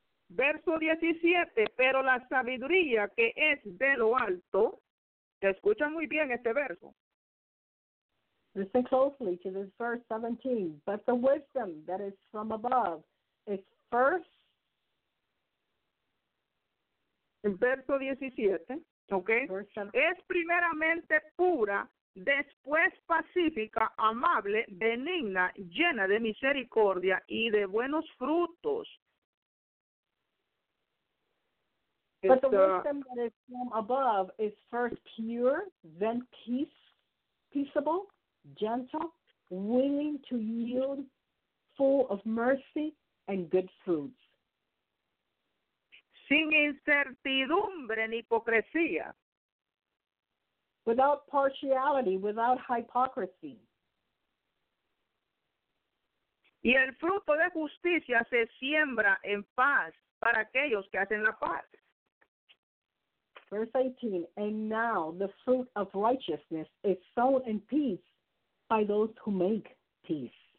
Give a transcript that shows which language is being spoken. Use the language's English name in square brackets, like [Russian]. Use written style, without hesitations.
[Spanish] Verso 17, pero la sabiduría que es de lo alto, te escucha muy bien este verso. [English] Listen closely to this verse 17. But the wisdom that is from above is first. [Spanish] Verso 17, ¿ok? Es primeramente pura, después pacífica, amable, benigna, llena de misericordia y de buenos frutos. [English] But the wisdom that is from above is first pure, then peaceable, gentle, willing to yield, full of mercy and good fruits. [Spanish] Sin incertidumbre ni hipocresía. [English] Without partiality, without hypocrisy. [Spanish] Y el fruto de justicia se siembra en paz para aquellos que hacen la paz. [English] Verse 18, and now the fruit of righteousness is sown in peace by those who make peace.